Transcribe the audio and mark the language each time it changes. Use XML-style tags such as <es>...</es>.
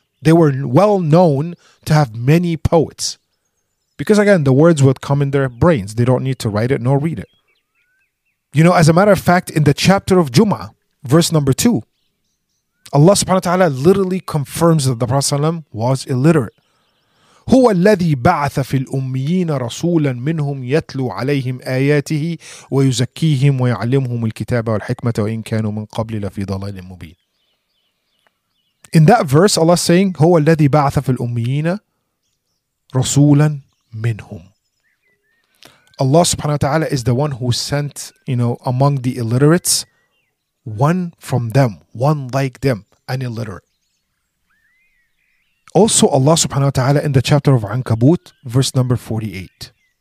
<en>They were well known to have many poets. Because again, the words would come in their brains. They don't need to write it nor read it. You know, as a matter of fact, in the chapter of Jum'ah, verse number 2, Allah subhanahu wa ta'ala literally confirms that the Prophet ﷺ was illiterate.</en> <ar>هو الذي بعث في الأميين رسولا منهم يتلو عليهم آياته ويزكيهم ويعلمهم الكتاب والحكمة وإن كانوا من قبل لفي ضلال مبين.</ar> <en>In that verse, Allah is saying,</en> <ar>هو الذي بعث في الأميين رسولا منهم.</ar> <en>Allah subhanahu wa ta'ala is the one who sent, you know, among the illiterates, one from them, one like them, an illiterate. Also, Allah subhanahu wa ta'ala in the chapter of Ankabut, verse number 48.</en>